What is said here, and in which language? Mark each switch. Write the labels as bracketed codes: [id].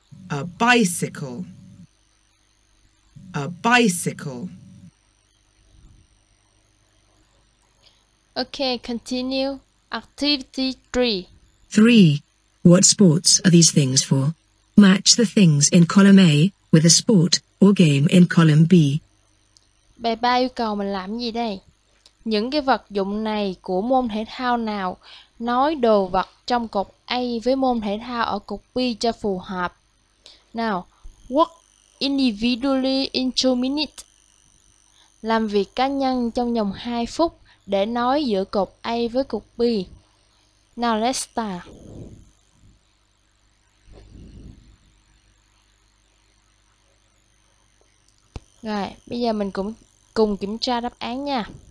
[en] A bicycle. A bicycle. Okay, continue. Activity 3. 3. What sports are these things for? Match the things in column A with a sport or game in column B. [vi] Bài 3 yêu cầu mình làm gì đây? Những cái vật dụng này của môn thể thao nào? Nói đồ vật trong cột A với môn thể thao ở cột B cho phù hợp. [en] Now, work individually in 2 minutes. [vi] Làm việc cá nhân trong vòng 2 phút để nói giữa cột A với cột B. [en] Now let's start. [vi] Rồi, bây giờ mình cũng cùng kiểm tra đáp án nha.